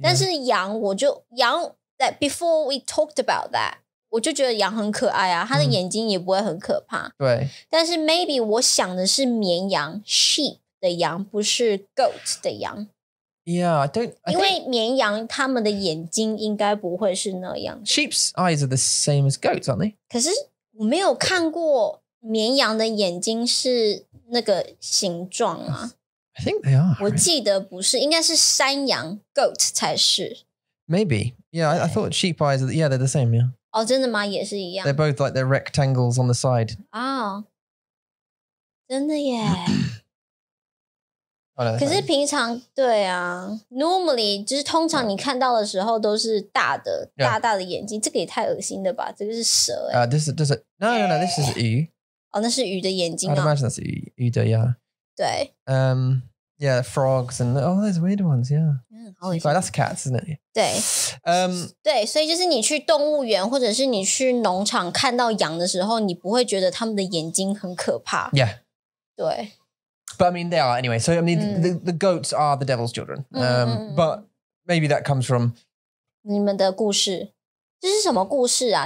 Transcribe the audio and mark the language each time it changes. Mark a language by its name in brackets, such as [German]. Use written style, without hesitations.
[Chinese] 但是羊我就羊 [English] that before we talked about that [Chinese] 我就觉得羊很可爱啊它的眼睛也不会很可怕、嗯、对但是 maybe 我想的是绵羊 sheep 的羊不是 goat 的羊 [English] yeah I don't, I think, [Chinese] 因为绵羊它们的眼睛应该不会是那样 [English] sheep's eyes are the same as goats aren't they [Chinese] 可是我没有看过绵羊的眼睛是那个形状啊 [English] I think they are [Chinese] 我记得不是应该是山羊 goat 才是 [English] maybe yeah I thought sheep eyes are, yeah they're the same yeah [Chinese] 哦、oh, 真的吗也是一样。 [English] They're both like they're rectangles on the side. [Chinese] 哦、oh, 真的耶。 [English] oh, no, [Chinese] 可是平常对啊 normally, 就是通常你看到的时候都是大的、yeah. 大大的眼睛这个也太恶心了吧这个是蛇耶。 [English] No, this is 鱼。 [Chinese] 哦、oh, 那是鱼的眼睛啊。 [English] I'd imagine that's [Chinese] 鱼的呀。对。 [English] Yeah, frogs and oh, those weird ones, yeah. Yeah, that's cats, isn't it? [Chinese] 对，对，所以就是你去动物园或者是你去农场看到羊的时候，你不会觉得他们的眼睛很可怕。 [English] Yeah. [Chinese] 对。 [English] But I mean, they are anyway. So I mean,、嗯、the goats are the devil's children. But maybe that comes from [Chinese] 你们的故事，这是什么故事啊？